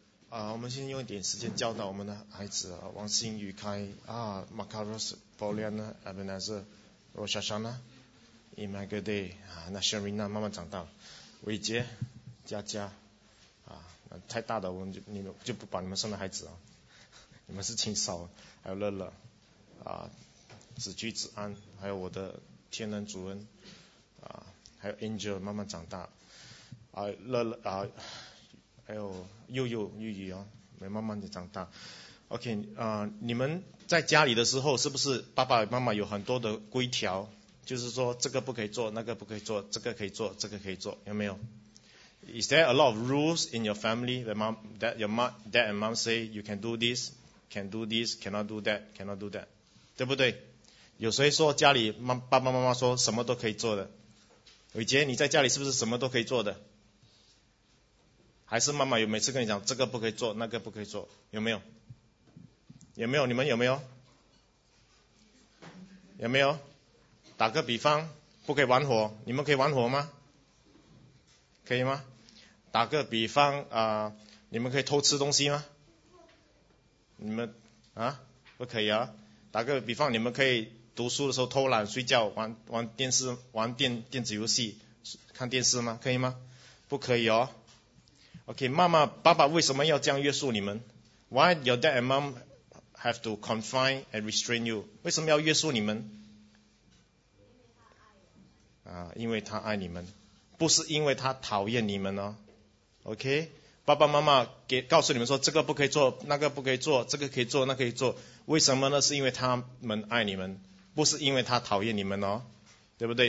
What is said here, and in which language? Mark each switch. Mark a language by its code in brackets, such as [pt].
[zh] 我们先用一点时间教导我们的孩子啊，王新宇开啊 ，Macarus Foliana Abenazer Roshashana Imagade 啊，那 Sherina 慢慢长大了，伟杰、佳佳啊，太大的我们就你们就不把你们生的孩子啊，你们是青少，还有乐乐啊，子居子安，还有我的天能主恩啊，还有 Angel 慢慢长大啊，乐乐啊。还有幼幼幼幼啊，没慢慢的长大。OK， 你们在家里的时候，是不是爸爸妈妈有很多的规条？就是说这个不可以做，那个不可以做，这个可以做，这个可以做，有没有 ？ [en] Is there a lot of rules in your family that mom that your mom dad and mom say you can do this, can do this, cannot do that, [zh] cannot do that， 对不对？有谁说家里妈爸爸妈妈说什么都可以做的？伟杰，你在家里是不是什么都可以做的？还是妈妈有每次跟你讲这个不可以做那个不可以做，有没有？有没有？你们有没有？有没有？打个比方，不可以玩火，你们可以玩火吗？可以吗？打个比方啊、你们可以偷吃东西吗？你们啊，不可以啊。打个比方，你们可以读书的时候偷懒睡觉，玩电视，玩电子游戏，看电视吗？可以吗？不可以哦。 OK， 妈妈、爸爸为什么要这样约束你们 ？ [en] Why your dad and mom have to confine and restrain you？ [zh] 为什么要约束你们？因为他爱你们，不是因为他讨厌你们哦。 OK， 爸爸妈妈告诉你们说这个不可以做，那个不可以做，这个可以做，那个、可以做，为什么呢？是因为他们爱你们，不是因为他讨厌你们哦，对不对？